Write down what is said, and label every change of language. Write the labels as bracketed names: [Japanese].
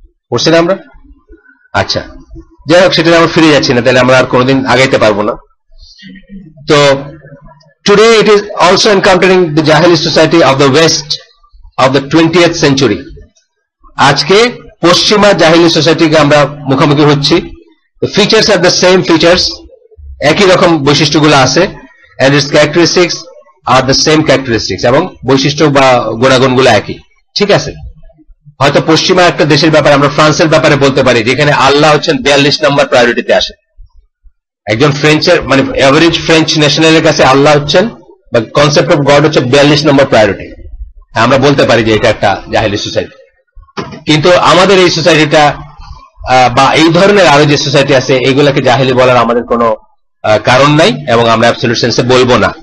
[Bangla] পড়ছি না আমরা, আচ্ছা যাই হোক, সেটা আমরা ফিরে যাচ্ছি না, তাহলে আমরা আর কোনোদিন আগাইতে পারবো না। [English] তো today it is also encountering the জাহিলি society of the west of the 20th century, [Bangla] আজকে পশ্চিমা জাহিলি সোসাইটিকে আমরা মুখোমুখি হচ্ছি, [English] features are the same features, [Bangla] একই রকম বৈশিষ্ট্যগুলো আছে, [English] and its characteristics are the same characteristics, [Bangla] এবং বৈশিষ্ট্য বা গুণাগুণগুলো একই, ঠিক আছে? হয়তো পশ্চিমা একটা দেশের ব্যাপারে আমরা ফ্রান্সের ব্যাপারে বলতে পারি, যেখানে আল্লাহ হচ্ছেন 42 নম্বর প্রায়োরিটিতে আসে। একজন ফ্রেঞ্চের মানে এভারেজ ফ্রেঞ্চ ন্যাশনালের কাছে আল্লাহ হচ্ছেন বা কনসেপ্ট অফ গড হচ্ছে 42 নম্বর প্রায়োরিটি। আমরা বলতে পারি যে এটা একটা জাহেলি সোসাইটি, কিন্তু আমাদের এই সোসাইটিটা বা এই ধরনের আরো যে সোসাইটি আছে এগুলাকে জাহেলি বলার আমাদের কোনো কারণ নাই এবং আমরা অ্যাবসলিউট সেন্সে বলবো না।